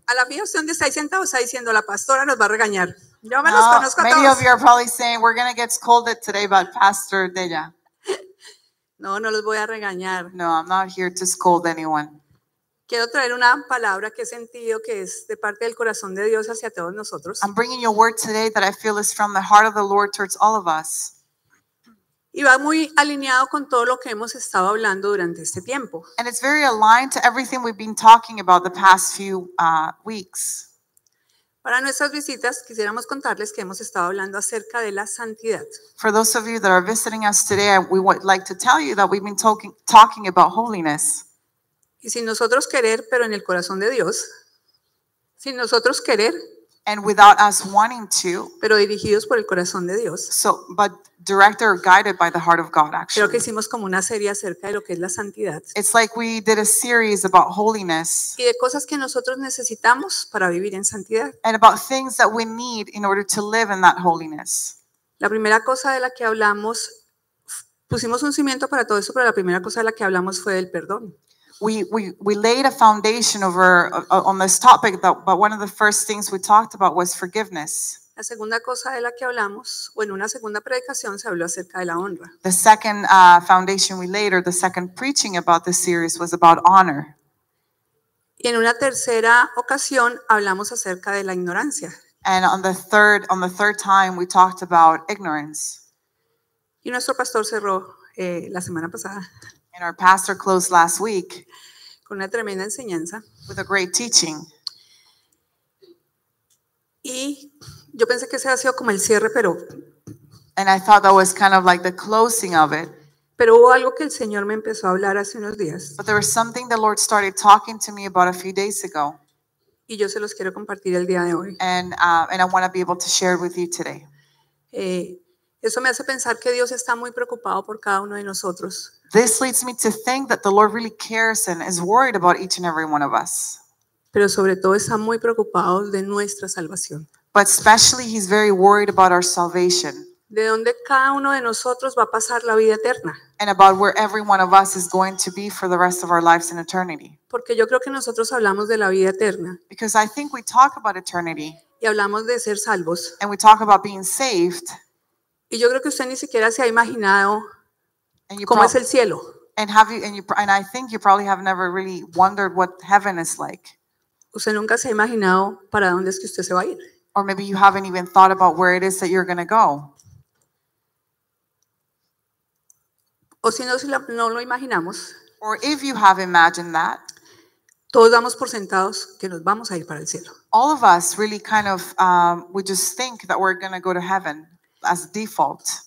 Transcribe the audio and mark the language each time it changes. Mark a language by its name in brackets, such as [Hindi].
[Spanish] A la fija usted donde está sentado está diciendo, la pastora nos va a regañar. Yo me los conozco a todos. [English] Many of you are probably saying, we're going to get scolded today by Pastor Della. [Spanish] No, no los voy a regañar. [English] No, I'm not here to scold anyone. [Spanish] Quiero traer una palabra que he sentido que es de parte del corazón de Dios hacia todos nosotros. [English] I'm bringing you a word today that I feel is from the heart of the Lord towards all of us. [Spanish] Y va muy alineado con todo lo que hemos estado hablando durante este tiempo. [English] And it's very aligned to everything we've been talking about the past few weeks. [Spanish] Para nuestras visitas, quisiéramos contarles que hemos estado hablando acerca de la santidad. [English] For those of you that are visiting us today, we would like to tell you that we've been talking about holiness. [Spanish] Y sin nosotros querer, pero en el corazón de Dios. Sin nosotros querer. [English] And without us wanting to. [Spanish] Pero dirigidos por el corazón de Dios. [English] So, but directed or guided by the heart of God, actually. [Spanish] Creo que hicimos como una serie acerca de lo que es la santidad. [English] It's like we did a series about holiness. [Spanish] Y de cosas que nosotros necesitamos para vivir en santidad. [English] And about things that we need in order to live in that holiness. [Spanish] La primera cosa de la que hablamos, pusimos un cimiento para todo eso, pero la primera cosa de la que hablamos fue del perdón. [English] We laid a foundation over on this topic, but one of the first things we talked about was forgiveness. [Spanish] La segunda cosa de la que hablamos, o en una segunda predicación, se habló acerca de la honra. [English] The second foundation we laid, or the second preaching about this series, was about honor. [Spanish] Y en una tercera ocasión hablamos acerca de la ignorancia. [English] And on the third time we talked about ignorance. [Spanish] Y nuestro pastor cerró la semana pasada. [English] And our pastor closed last week [Spanish] con una tremenda enseñanza. [English] With a great teaching. [Spanish] Y yo pensé que ese ha sido como el cierre, pero. [English] And I thought that was kind of like the closing of it. [Spanish] Pero hubo algo que el Señor me empezó a hablar hace unos días. [English] But there was something the Lord started talking to me about a few days ago. [Spanish] Y yo se los quiero compartir el día de hoy. [English] And I want to be able to share it with you today. [Spanish] Eso me hace pensar que Dios está muy preocupado por cada uno de nosotros. [English] This leads me to think that the Lord really cares and is worried about each and every one of us. [Spanish] Pero sobre todo está muy preocupado de nuestra salvación. [English] But especially he's very worried about our salvation. [Spanish] De donde cada uno de nosotros va a pasar la vida eterna. [English] And about where every one of us is going to be for the rest of our lives in eternity. [Spanish] Porque yo creo que nosotros hablamos de la vida eterna. [English] Because I think we talk about eternity. [Spanish] Y hablamos de ser salvos. [English] And we talk about being saved. [Spanish] Y yo creo que usted ni siquiera se ha imaginado cómo es el cielo. [English] And I think you probably have never really wondered what heaven is like. [Spanish] Usted nunca se ha imaginado para dónde es que usted se va a ir. [English] Or maybe you haven't even thought about where it is that you're going to go. [Spanish] O si no lo imaginamos. [English] Or if you have imagined that. [Spanish] Todos damos por sentados que nos vamos a ir para el cielo. [English] All of us really kind of, we just think that we're going to go to heaven as default.